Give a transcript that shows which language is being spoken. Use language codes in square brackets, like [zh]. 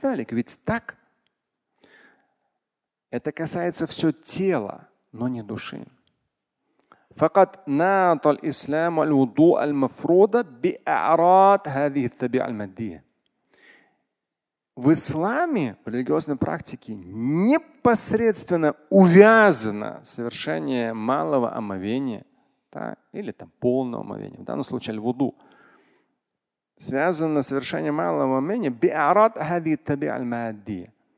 [ru] Ведь так. Это касается все тела, но не души. [ar] فقد ناط الإسلام الوضوء المفروض بأعراض هذه الطبيعة المادية. [ru] В исламе, в религиозной практике, непосредственно увязано совершение малого омовения, да, или там полного омовения, в данном случае аль-вуду, связано совершение малого омовения [ar] بأعراض هذه الطبيعة المادية.